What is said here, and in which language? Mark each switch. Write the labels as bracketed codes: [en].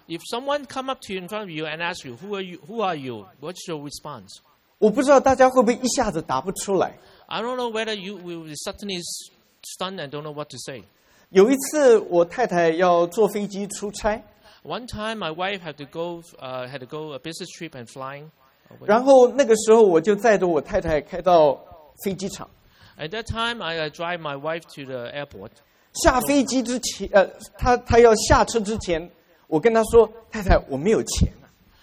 [en] ？If someone come up to you in front of you and ask you who are you, who are you, what's your response？ [zh] 我不知道大家会不会一下子答不出来。 [en] I don't know whether you will suddenly stunned and don't know what to say。 [zh] 有一次，我太太要坐飞机出差。 [en] One time, my wife had to go, had to go a business trip and flying. [zh] 然后那个时候，我就载着我太太开到飞机场。 [en] At that time, I drive my wife to the airport. [zh] 下飞机之前，他要下车之前，我跟他说：“太太，我没有钱。”